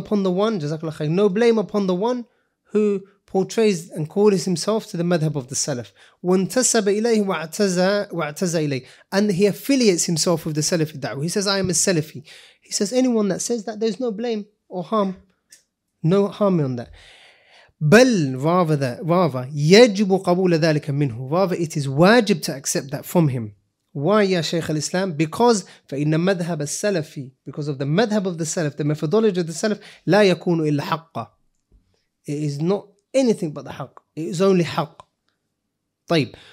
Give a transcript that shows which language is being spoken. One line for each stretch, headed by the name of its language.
English: There's no blame upon the one who portrays and calls himself to the madhab of the Salaf.
Arabic: وانتسب إليه واعتزى إليه.
English: And he affiliates himself with the Salaf da'wah. He says, I am a Salafi. He says, anyone that says that, there's no blame or harm. No harm on that.
Arabic: بل
English: rather,
Arabic: يجب قبول ذلك منه.
English: Rather, it is wajib to accept that from him. Why, ya Shaykh al-Islam? Because,
Arabic: فَإِنَّ مَذْهَبَ السَّلَفِ,
English: because of the madhab of the Salaf, the methodology of the Salaf,
Arabic: لا يكون إلا حقا.
English: It is not anything but the haq. It is only haq. طيب.